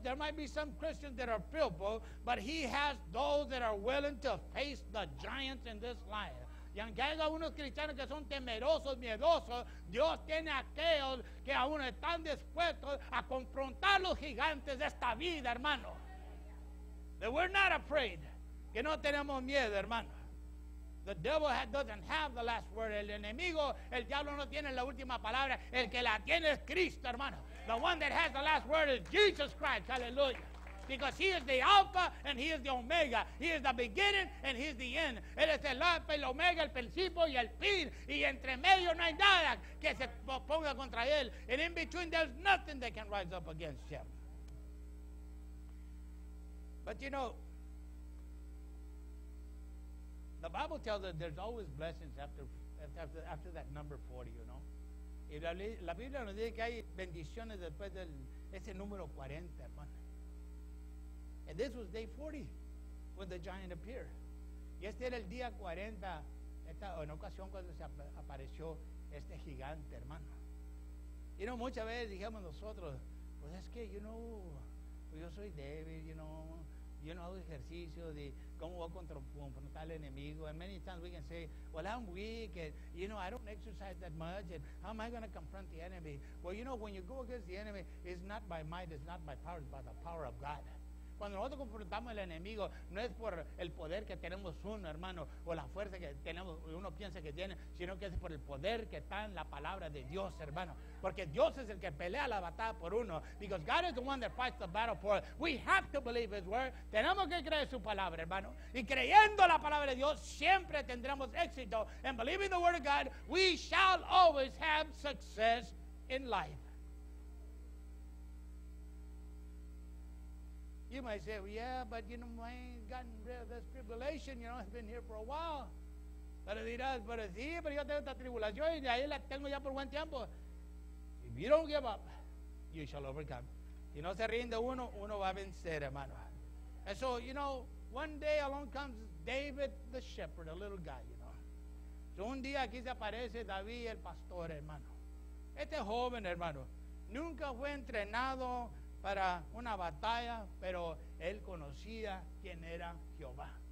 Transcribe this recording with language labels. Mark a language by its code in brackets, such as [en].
[en] There might be some Christians that are fearful, but he has those that are willing to face the giants in this life. [es] Y aunque haya unos cristianos que son temerosos, miedosos, Dios tiene aquellos que aún están dispuestos a confrontar los gigantes de esta vida, hermano. [en] That we're not afraid. [es] Que no tenemos miedo, hermano. [en] The devil doesn't have the last word. [es] El enemigo, el diablo no tiene la última palabra. El que la tiene es Cristo, hermano. [en] The one that has the last word is Jesus Christ, hallelujah. Because he is the Alpha and he is the Omega. He is the beginning and he is the end. [es] Él es el Alpha, el Omega, el principio y el fin. Y entre medio no hay nada que se ponga contra él. [en] And in between there's nothing that can rise up against him. But you know, the Bible tells us there's always blessings after that number 40, you know. [es] Y la Biblia nos dice que hay bendiciones después de ese número 40, hermano. [en] And this was day 40 when the giant appeared. [es] Y este era el día 40, en ocasión cuando se apareció este gigante, hermano. Y no, muchas veces dijimos nosotros, pues es que, you know, pues yo soy débil, you know. Yo no hago ejercicio de cómo voy a confrontar al enemigo. [en] And many times we can say, well, I'm weak, and, you know, I don't exercise that much, and how am I going to confront the enemy? Well, you know, when you go against the enemy, it's not by might, it's not by power, it's by the power of God. [es] Cuando nosotros confrontamos al enemigo, no es por el poder que tenemos uno, hermano, o la fuerza que tenemos, uno piensa que tiene, sino que es por el poder que está en la palabra de Dios, hermano. Porque Dios es el que pelea la batalla por uno. [en] Because God is the one that fights the battle for us. We have to believe his word. [es] Tenemos que creer su palabra, hermano. Y creyendo la palabra de Dios, siempre tendremos éxito. [en] And believing the word of God, we shall always have success in life. You might say, well, yeah, but you know, I ain't gotten rid of this tribulation. You know, I've been here for a while. [es] Pero dirás, pero sí, pero yo tengo esta tribulación y de ahí la tengo ya por buen tiempo. [en] If you don't give up, you shall overcome. [es] Si no se rinde uno, uno va a vencer, hermano. [en] And so, you know, one day along comes David the shepherd, a little guy, you know. [es] So un día aquí se aparece David el pastor, hermano. Este joven, hermano, nunca fue entrenado para una batalla, pero él conocía quién era Jehová.